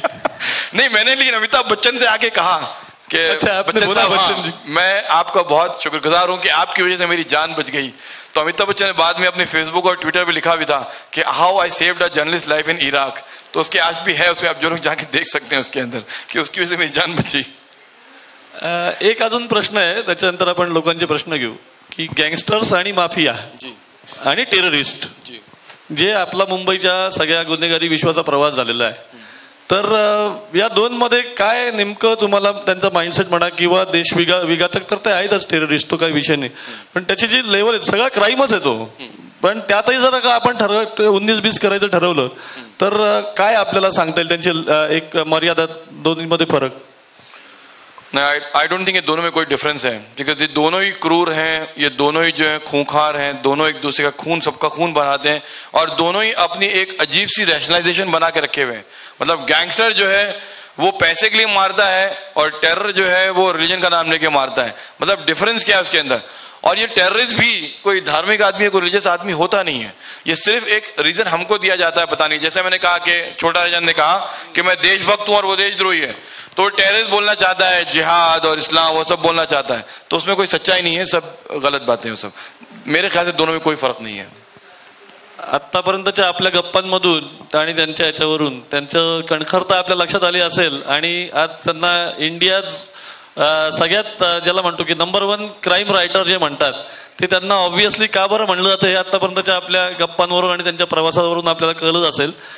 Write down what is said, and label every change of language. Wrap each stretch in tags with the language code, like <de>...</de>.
<hi>नहीं मैंने लेकिन अमिताभ बच्चन से आके कहा कि बच्चन मैं आपका बहुत शुक्रगुजार हूँ कि आपकी वजह से मेरी जान बच गई। तो अमिताभ बच्चन ने बाद में अपने फेसबुक और ट्विटर पे लिखा भी था कि</hi> <en>How I saved a journalist life in Iraq.</en> <hi>तो उसके आज भी है उसमें, आप जो लोग जाके देख सकते हैं उसके अंदर कि उसकी वजह से मेरी जान बची।</hi> <mr>एक अजून प्रश्न है, त्याच्यानंतर आपण लोकांचे प्रश्न घेऊ की गँगस्टर्स आणि माफिया आणि टेररिस्ट जे आपला मुंबईच्या सगळ्या गुन्हेगारी विश्वाचा प्रवास झालेला आहे, तर या दोन मध्ये काय नेमकं तुम्हाला त्यांचा माइंडसेट म्हणा किंवा देश विघातक तर ते आहेतच टेररिस्ट, तो काही विषय नाही, पण त्याची जी लेवल आहे सगळा क्राईमच आहे तो, पण त्यातही जर का आपण 19-20 करायचं ठरवलं तर काय आपल्याला सांगता येईल त्यांची एक मर्यादा दोन्ही मध्ये फरक?</mr> <en>I don't think</en> <hi>ये दोनों में कोई डिफरेंस है, क्योंकि दोनों ही क्रूर हैं, ये दोनों ही जो है खूंखार हैं, दोनों एक दूसरे का खून सबका खून बनाते हैं, और दोनों ही अपनी एक अजीब सी रैशनलाइजेशन बना के रखे हुए हैं। मतलब गैंगस्टर जो है वो पैसे के लिए मारता है, और टेरर जो है वो रिलीजन का नाम लेके मारता है। मतलब डिफरेंस क्या है उसके अंदर? और ये टेररिस्ट भी कोई धार्मिक आदमी है, कोई रिलीजियस आदमी होता नहीं है, ये सिर्फ एक रीजन हमको दिया जाता है पता नहीं। जैसे मैंने कहा कि छोटा राजन ने कहा कि मैं देशभक्त हूं और वो देशद्रोही है, तो टेररिस्ट बोलना चाहता है जिहाद और इस्लाम वो सब बोलना चाहता है, तो उसमें कोई सच्चाई नहीं है, सब गलत बातें हैं सब। मेरे ख्याल से दोनों में कोई फर्क नहीं है।</hi> <mr>आत्तापर्यंतच्या आपल्या गप्पांमधून आणि त्यांच्या याच्यावरून त्यांचं कणखरता आपल्या लक्षात आली असेल, आणि आज त्यांना इंडियाज सगळ्यात ज्याला म्हणतो की नंबर वन क्राईम रायटर जे म्हणतात ते त्यांना ऑब्व्हियसली का बरं म्हणलं जातं हे आत्तापर्यंतच्या आपल्या गप्पांवरून आणि त्यांच्या प्रवासावरून आपल्याला कळलं असेल।</mr>